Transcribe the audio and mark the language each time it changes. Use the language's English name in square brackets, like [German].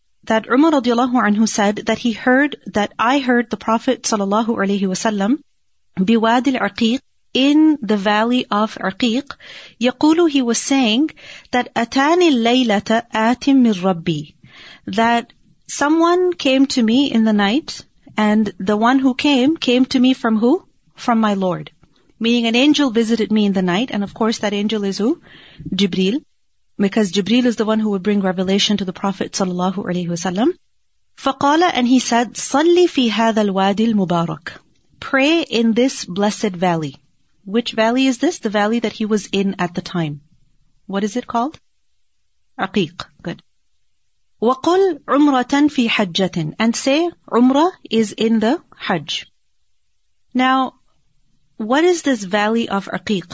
[English] that [Arabic] عمر رضي الله عنه [English] said that he heard that I heard the Prophet [Arabic] صلى الله عليه وسلم بوادي العقيق [English] in the valley of Arqiq, [Arabic] يقولوا, [English] he was saying that [Arabic] أتاني الليلة آت من ربي, [English] that someone came to me in the night, and the one who came to me from who? From my Lord. Meaning an angel visited me in the night, and of course that angel is who? Jibril. Because Jibril is the one who would bring revelation to the Prophet sallallahu alayhi wasallam. [Arabic] فقال, [English] and he said, [Arabic] صلي في هذا الوادي المبارك. [English] Pray in this blessed valley. Which valley is this? The valley that he was in at the time. What is it called? Aqiq. Good. [Arabic] وَقُلْ عُمْرَةً فِي حَجَّةٍ. [English] And say, عُمْرَة is in the Hajj. Now, what is this valley of Aqiq?